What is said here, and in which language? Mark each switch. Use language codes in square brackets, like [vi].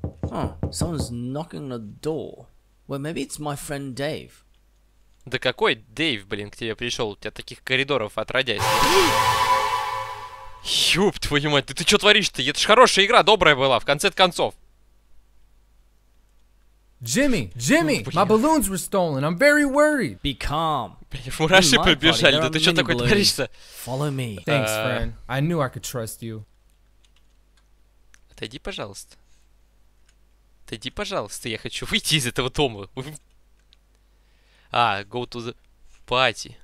[en] Huh, someone's knocking on the door. Well, maybe it's my friend Dave. [ru] Да какой Дэйв, блин, к тебе пришел? У тебя таких коридоров отродясь. Ёб твою мать, да ты что творишь-то? Это ж хорошая игра, добрая была, в конце концов. [en] Jimmy, Jimmy, oh, my balloons were stolen. I'm very worried. Be calm. [ru] Мураши побежали, да ты что такое творишь-то? [en] Follow me. Thanks, friend. I knew I could trust you. [ru] Отойди, пожалуйста. Отойди, пожалуйста, я хочу выйти из этого дома. [en] А, go to the party.